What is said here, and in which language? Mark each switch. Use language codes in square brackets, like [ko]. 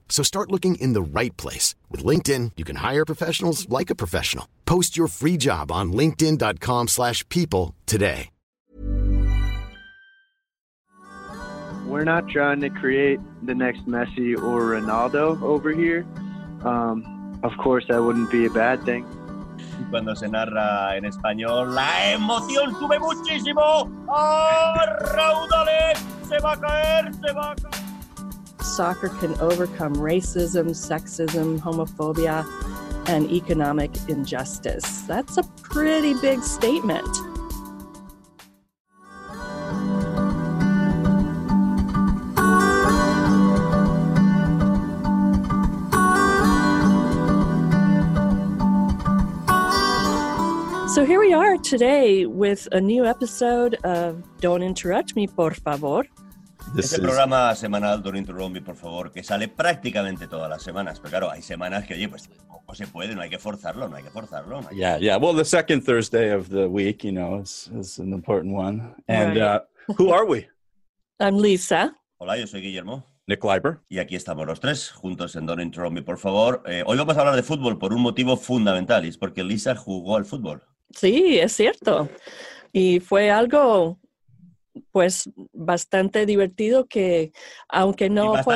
[en] So start looking in the right place. With LinkedIn, you can hire professionals like a professional. Post your free job on linkedin.com/people today. We're not trying to create the next Messi or Ronaldo over here. Of course, that wouldn't be a bad thing. [es] Cuando se narra en español, la emoción sube muchísimo. ¡Oh, raudales! ¡Se va a caer! ¡Se va a caer! [en] Soccer can overcome racism, sexism, homophobia, and economic injustice. That's a pretty big statement. So here we are today with a new episode of Don't Interrupt Me, Por Favor. This [es] este programa [en] is... [es] semanal, Don't Interrupt Me, Por Favor, que sale prácticamente todas las semanas. Pero claro, hay semanas que, oye, pues, no se puede, no hay que forzarlo. No hay [en] yeah, [es] que... [en] yeah. Well, the second Thursday of the week, you know, is an important one. And right. Who are we? I'm Lisa. [es] Hola, yo soy Guillermo. [en] Nick Leiber. [es] Y aquí estamos los tres, juntos en Don't Interrupt Me, Por Favor. Hoy vamos a hablar de fútbol por un motivo fundamental, y es porque Lisa jugó al fútbol. Sí, es cierto. Y fue algo, pues, bastante divertido que, aunque no...